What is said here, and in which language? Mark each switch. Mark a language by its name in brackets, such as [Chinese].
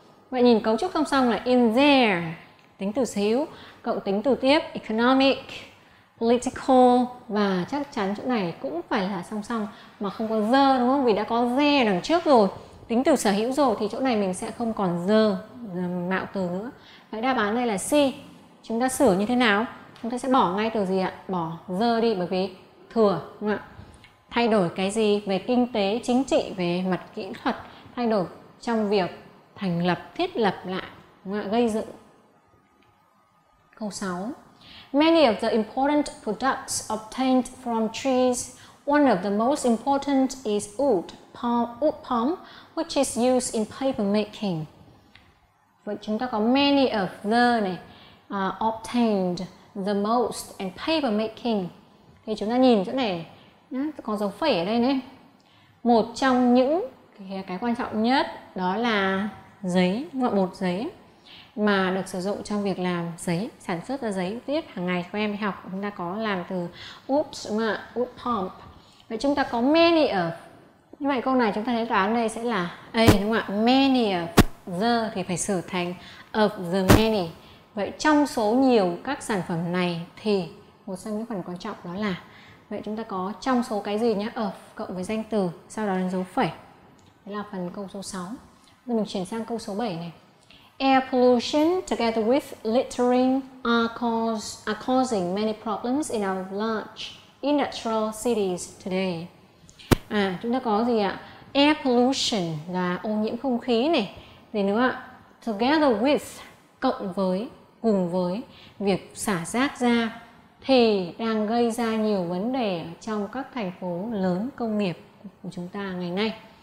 [Vietnamese] Vậy nhìn cấu trúc song song là in there, tính từ xíu, cộng tính từ tiếp, economic, political, và chắc chắn chỗ này cũng phải là song song mà không có the, đúng không? Vì đã có the đằng trước rồi, tính từ sở hữu rồi, thì chỗ này mình sẽ không còn the mạo từ nữa. Vậy đáp án đây là C. Chúng ta sửa như thế nào? Chúng ta sẽ bỏ ngay từ gì ạ? Bỏ the đi, bởi vì thừa, đúng không ạ? Thay đổi cái gì về kinh tế, chính trị, về mặt kỹ thuật, thay đổi trong việc thành lập, thiết lập lại, đúng không ạ? Gây dựng. Câu 6. [English] Many of the important products obtained from trees. One of the most important is wood palm, which is used in paper making. [Vietnamese] Vậy chúng ta có [English] many of the [Vietnamese] này, [English] obtained the most and paper making. [Vietnamese] Thì chúng ta nhìn chỗ này, nó có dấu phẩy ở đây này. Một trong những cái quan trọng nhất đó là giấy, gọi bột giấy mà được sử dụng trong việc làm giấy, sản xuất ra giấy viết hàng ngày các em đi học. Chúng ta có làm từ wood pulp. Vậy chúng ta có many of. Như vậy câu này chúng ta thấy đáp án đây sẽ là A, đúng không ạ? [English] Many of the [Vietnamese] thì phải sửa thành [English] of the many. [Vietnamese] Vậy trong số nhiều các sản phẩm này thì một trong những phần quan trọng đó là, vậy chúng ta có trong số cái gì nhé? Of cộng với danh từ, sau đó là dấu phẩy. Đấy là phần câu số 6. Rồi mình chuyển sang câu số 7 này. [English] Air pollution together with littering are causing many problems in our large industrial cities today. [Vietnamese] À, chúng ta có gì ạ? Air pollution là ô nhiễm không khí này. Gì nữa ạ? [English] Together with, [Vietnamese] cùng với việc xả rác ra, thì đang gây ra nhiều vấn đề trong các thành phố lớn công nghiệp của chúng ta ngày nay.